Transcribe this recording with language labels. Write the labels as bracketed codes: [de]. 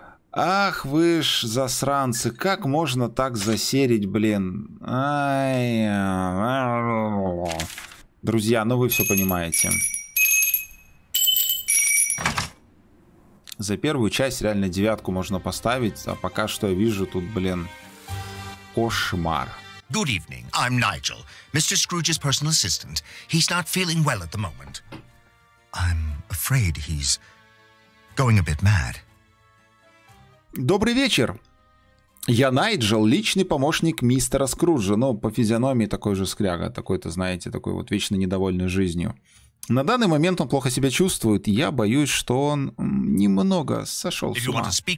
[ru] Ах вы ж засранцы, как можно так засерить, блин. Ай. Друзья, ну вы все понимаете. За первую часть реально девятку можно поставить, а пока что я вижу тут, блин, кошмар. [en] Good evening, I'm Nigel, Mr. Scrooge's personal assistant. He's not feeling well at the moment. I'm afraid he's going a bit mad. [ru] Добрый вечер. Я Найджел, личный помощник мистера Скруджа. Ну, по физиономии такой же скряга, такой-то, знаете, такой вот вечно недовольный жизнью. На данный момент он плохо себя чувствует. Я боюсь, что он немного сошел с ума.